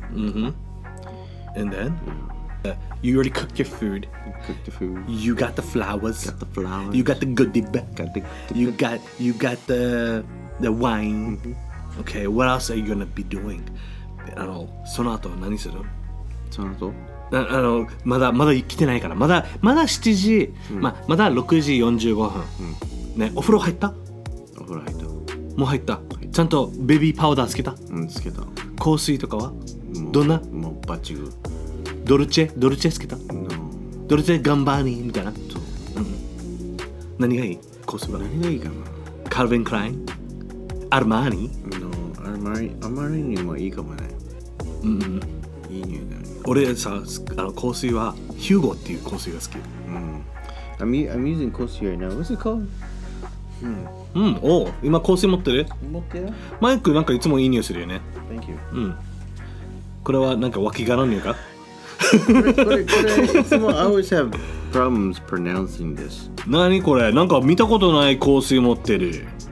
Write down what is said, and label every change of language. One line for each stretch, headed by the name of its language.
English: Mm-hmm. And then? Yeah. You already cooked your food. Cooked the food. You got the flowers. Got the flowers. You got the goodie. Got the You got the wine. Mm-hmm. Okay, what else are you gonna be doing? I don't know.
Japanese: その後は何する? その後? あのまだ来てないから。まだ7時。まだ6時45分。ね、お風呂入った? お風呂入った。もう入った。ちゃんとベビーパウダーつけた? つけた。香水とかはどんな？もうバチグ。ドルチェつけた、
English: no.
Japanese: ドルチェガンバーニーみたいな。そう、何がいい香水は？何がいいかな。カルヴィン・クライン、アルマーニ、
English: no.
Japanese: アルマーニもいいかもね。いい匂いだよね。俺さ、あの香水はヒューゴっていう香水が好き。
English: I'm using 香水 right now. What's it called?
Japanese: うん、うん、お今香水持ってる？持ってる。マイクなんかいつもいい匂いするよね。
English: Thank you。
Japanese: うん。これはなんか脇がの匂いか？これいつも
English: I always have problems pronouncing this。
Japanese: 何これ？なんか見たことない香水持ってる。